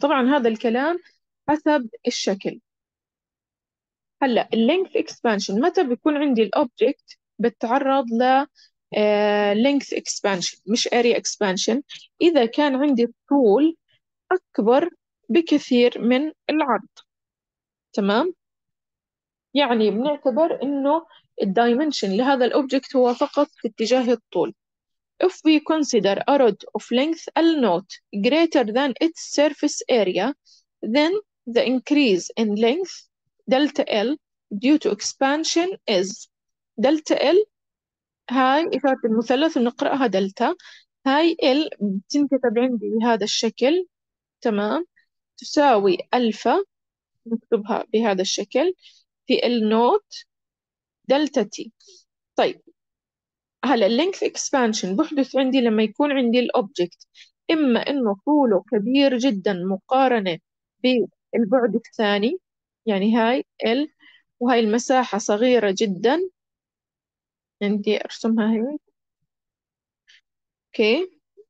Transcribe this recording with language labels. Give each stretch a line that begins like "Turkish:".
Arabic: طبعا هذا الكلام حسب الشكل. هلا ال length expansion متى بيكون عندي ال object بتعرض ل length expansion مش area expansion؟ إذا كان عندي طول أكبر بكثير من العرض، تمام؟ يعني بنعتبر إنه الدايمنشن لهذا الأوبجكت هو فقط في اتجاه الطول.
English: If we consider a rod of length L naught greater than its surface area, then the increase in length delta L due to expansion is delta L.
Arabic: هاي إشارة المثلث ونقرأها دلتا، هاي L بتنكتب عندي بهذا الشكل، تمام، تساوي ألفا، نكتبها بهذا الشكل في ال نوت دلتا تي. طيب هلا length expansion بحدث عندي لما يكون عندي الأوبجكت إما إنه طوله كبير جدا مقارنة بالبعد الثاني، يعني هاي ال وهاي المساحة صغيرة جدا، عندي أرسمها هيك، أوكي،